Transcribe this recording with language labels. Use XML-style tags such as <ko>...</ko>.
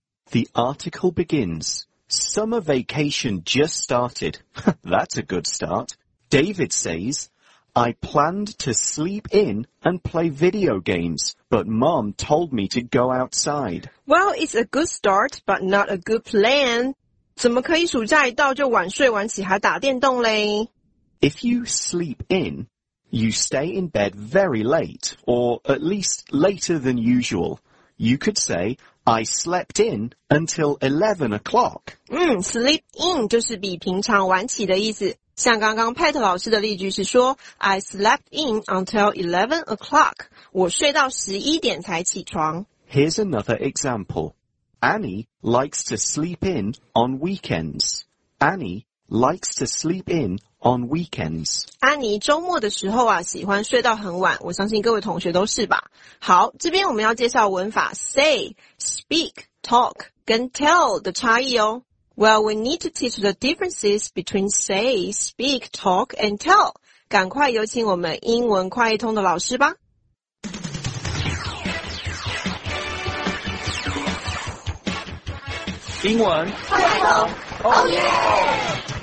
<en>The article begins, Summer vacation just started. That's a good start. David says... I planned to sleep in and play video games, but Mom told me to go outside. Well, it's a good start, but not a good plan.</en> <zh>怎么可以暑假一到就晚睡晚起还打电动嘞?</zh> <en>If you sleep in, you stay in bed very late, or at least later than usual. You could say, I slept in until 11 o'clock.</en> <zh>Sleep in 就是比平常晚起的意思。像刚刚 Pat 老师的例句是说</zh> <en>I slept in until 11 o'clock.</en> <zh>我睡到11点才起床。</zh> <en>Here's another example. Annie likes to sleep in on weekends. Annie likes to sleep in on weekends.</en> <zh>Annie 周末的时候啊喜欢睡到很晚，我相信各位同学都是吧。好，这边我们要介绍文法 say, speak, talk, 跟 tell 的差异哦。</zh> <en>Well, we need to teach the differences between say, speak, talk, and tell.</en> <zh>赶快有请我们英文快译通的老师吧。英文快译通</zh> <en>，Oh yeah!</en>